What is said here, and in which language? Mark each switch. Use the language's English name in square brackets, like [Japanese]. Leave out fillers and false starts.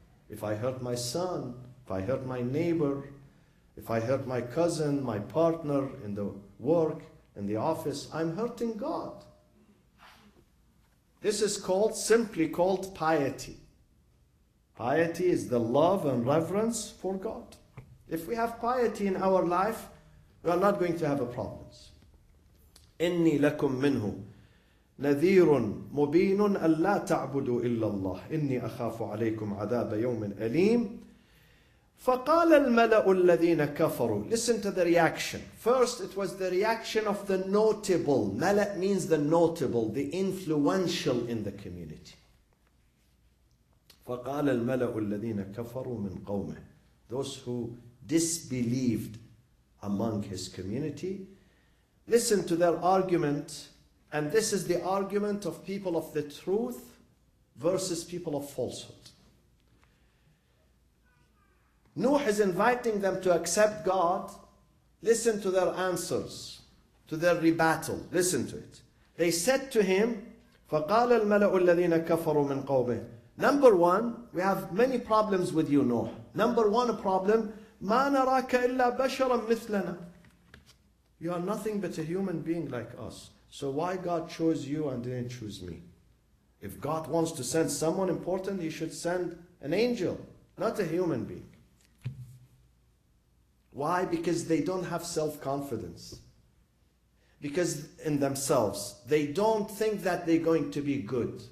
[English] If I hurt my son, if I hurt my neighbor, if I hurt my cousin, my partner in the work, in the office, I'm hurting God. This is called, simply called, piety. Piety is the love and reverence for God. If we have piety in our life, we are not going to have a problem. [Arabic] إني لكم منه نذير مبين ألا تعبدوا إلا الله إني أخاف عليكم عذاب يوم أليم فقال الملأ الذين كفروا. [English] Listen to the reaction. First, it was the reaction of the notable. ملأ means the notable, the influential in the community. [Arabic] فقال الملأ الذين كفروا من قومه. [English] Those who disbelieved among his community. Listen to their argument, and this is the argument of people of the truth versus people of falsehood. Nuh is inviting them to accept God. Listen to their answers, to their rebuttal. Listen to it. They said to him, [Arabic] فَقَالَ الْمَلَأُ الَّذِينَ كَفَرُوا مِنْ قَوْمِهِ. [English] Number one, we have many problems with you, Nuh. Number one problem, [Arabic] مَا نَرَاكَ إِلَّا بَشَرًا مِثْلَنَا. [English] You are nothing but a human being like us. So why God chose you and didn't choose me? If God wants to send someone important, he should send an angel, not a human being. Why? Because they don't have self-confidence. Because in themselves, they don't think that they're going to be good.